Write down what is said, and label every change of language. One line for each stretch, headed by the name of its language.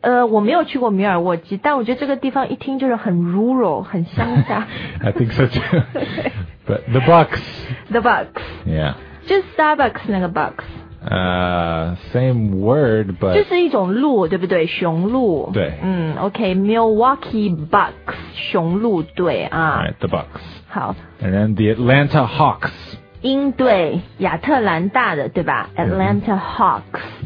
Chinese: 我没有去过米尔沃基但我觉得这个地方一听就是很 rural, 很乡下。
English: I think so too. But the Bucks. The Bucks. Yeah.
Chinese: 就是 Starbucks 那个 Bucks.
English: Same word, but...
Chinese: 就是一种鹿对不对熊鹿对。 OK, Milwaukee Bucks, 熊鹿队啊。
English: Right, the Bucks.
Chinese: 好。
English: And then the Atlanta Hawks.
Chinese: 鹰队亚特兰大的对吧 Atlanta Hawks.